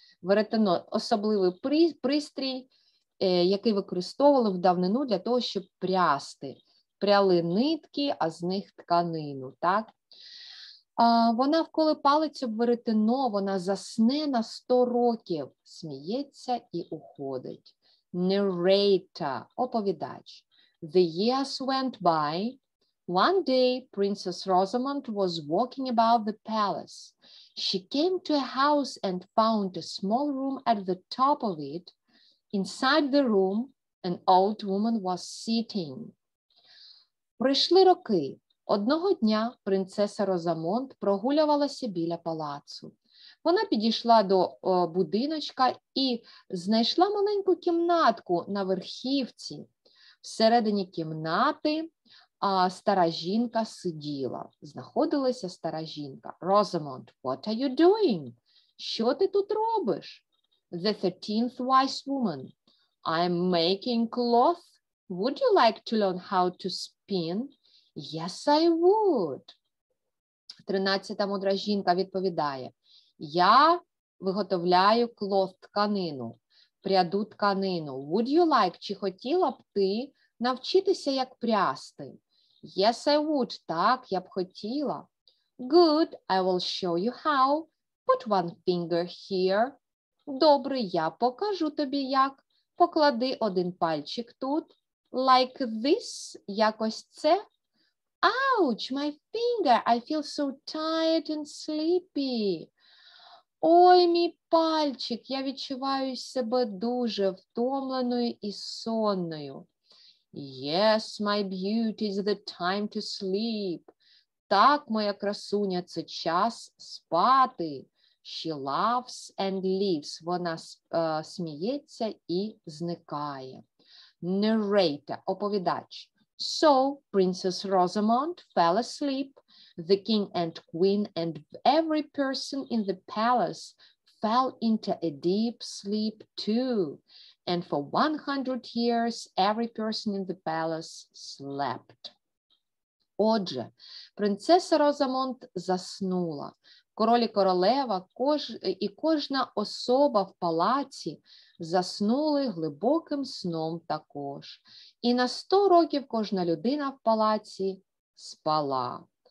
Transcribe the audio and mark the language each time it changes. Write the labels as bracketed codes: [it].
[uk] Веретено – особливий пристрій, який використовували в давнину для того, щоб прясти. Пряли нитки, а з них тканину, так? Вона вколи палець об веретено, вона засне на 100 років, сміється і уходить. [en] Narrator, оповідач. The years went by. One day, Princess Rosamond was walking about the palace. She came to a house and found a small room at the top of it. Inside the room, an old woman was sitting. [uk] Пройшли роки. Одного дня принцеса Розамонд прогулювалася біля палацу. Вона підійшла до будиночка і знайшла маленьку кімнатку на верхівці. Всередині кімнати стара жінка сиділа. Знаходилася стара жінка. Розамонд, [en] what are you doing? [uk] Що ти тут робиш? [en] The 13th wise woman, I'm making cloth. Would you like to learn how to spin? Yes, I would. [uk] 13-та мудра жінка відповідає. Я виготовляю клот, тканину, пряду тканину. [en] Would you like, [uk] чи хотіла б ти навчитися, як прясти? [en] Yes, I would. [uk] Так, я б хотіла. [en] Good, I will show you how. Put one finger here. [uk] Добре, я покажу тобі, як. Поклади один пальчик тут. [en] Like this, [uk] якось це. [en] Ouch, my finger, I feel so tired and sleepy. [uk] Ой, мій пальчик, я відчуваю себе дуже втомленою і сонною. [en] Yes, my beauty, it's the time to sleep. [uk] Так, моя красуня, це час спати. [en] She laughs and leaves. [uk] Вона сміється і зникає. [en] Narrator, оповідач. So, Princess Rosamond fell asleep. The king and queen and every person in the palace fell into a deep sleep too. And for 100 years, every person in the palace slept. [uk] Отже, принцеса Розамонд заснула. Королі королева і кожна особа в палаці заснули глибоким сном також. І на 100 років кожна людина в палаці спала.